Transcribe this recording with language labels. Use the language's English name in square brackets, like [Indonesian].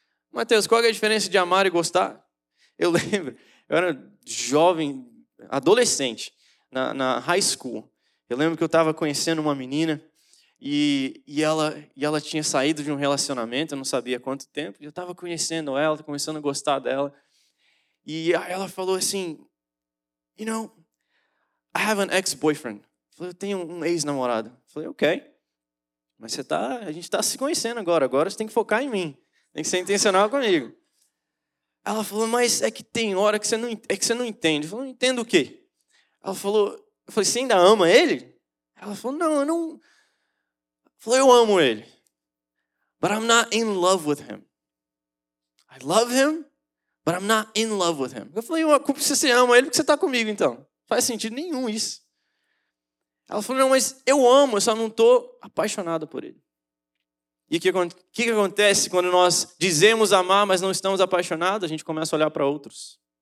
[Portuguese] Mateus, qual é a diferença de amar e gostar? Eu lembro, eu era jovem, adolescente, na high school. Eu lembro que eu estava conhecendo uma menina e ela tinha saído de um relacionamento, eu não sabia quanto tempo, e eu estava conhecendo ela, começando a gostar dela. E ela falou assim, [English] you know, I have an ex-boyfriend. [Portuguese] Eu falei, eu tenho um ex-namorado. Eu falei, ok, mas a gente está se conhecendo agora você tem que focar em mim, tem que ser intencional comigo. Ela falou, mas é que tem hora que você não entende. Eu falei, não entendo o quê? Ela falou... Eu falei, você ainda ama ele? Ela falou, não, eu não... Falei, eu amo ele. [English] But I'm not in love with him. I love him, but I'm not in love with him. [Portuguese] Eu falei, se você ama ele, porque você está comigo, então? Não faz sentido nenhum isso. Ela falou, não, mas eu amo, eu só não estou apaixonada por ele. E o que acontece quando nós dizemos amar, mas não estamos apaixonados? A gente começa a olhar para outros.